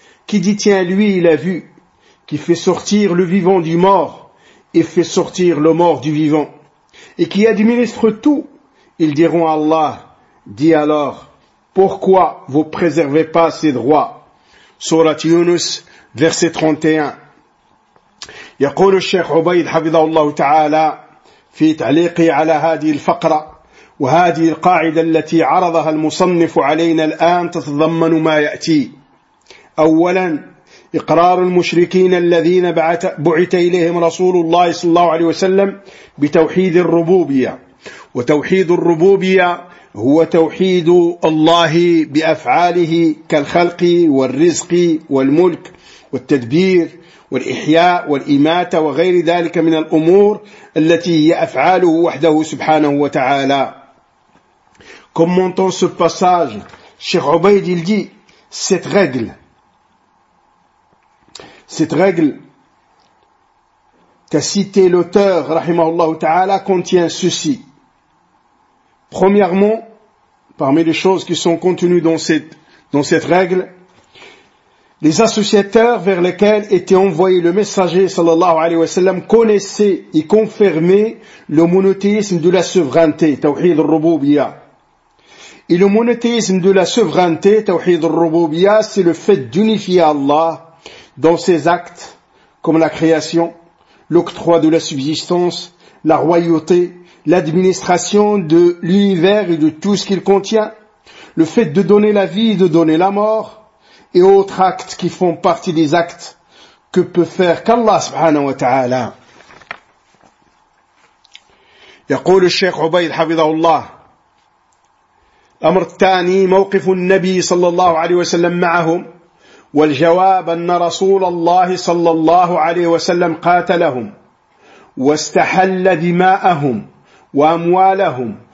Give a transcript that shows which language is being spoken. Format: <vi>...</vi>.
<fr>Qui dit tiens lui il a vu? Qui fait sortir le vivant du mort et fait sortir le mort du vivant? Et qui administre tout? Ils diront à Allah, dit alors, pourquoi vous préservez pas ces droits? Surat Yunus, verset 31.</fr> <ar>يقول الشيخ عبيد حفظه الله تعالى في تعليقه على هذه الفقرة وهذه القاعدة التي عرضها المصنف علينا الآن تتضمن ما يأتي. أولا، إقرار المشركين الذين بعث إليهم رسول الله صلى الله عليه وسلم بتوحيد الربوبية، وتوحيد الربوبية هو توحيد الله بأفعاله كالخلق والرزق والملك والتدبير والإحياء والإماتة وغير ذلك من الأمور التي هي أفعاله وحده سبحانه وتعالى.</ar> <fr>Commentons ce passage, Cheikh Ubaid il dit, cette règle qu'a cité l'auteur, rahimahullah ta'ala, contient ceci. Premièrement, parmi les choses qui sont contenues dans cette règle, les associateurs vers lesquels était envoyé le messager sallallahu alayhi wa sallam connaissaient et confirmaient le monothéisme de la souveraineté, tawhid al-rububiyya. Et le monothéisme de la souveraineté, tawhid al-rububiyya, c'est le fait d'unifier Allah dans ses actes, comme la création, l'octroi de la subsistance, la royauté, l'administration de l'univers et de tout ce qu'il contient, le fait de donner la vie et de donner la mort, et autres actes qui font partie des actes que peut faire qu'Allah subhanahu wa ta'ala.</fr> <ar>يقول الشيخ عبيد حفظه الله الأمر الثاني موقف النبي صلى الله عليه وسلم معهم والجواب أن رسول الله صلى الله عليه وسلم قاتلهم واستحل دماءهم وأموالهم.</ar>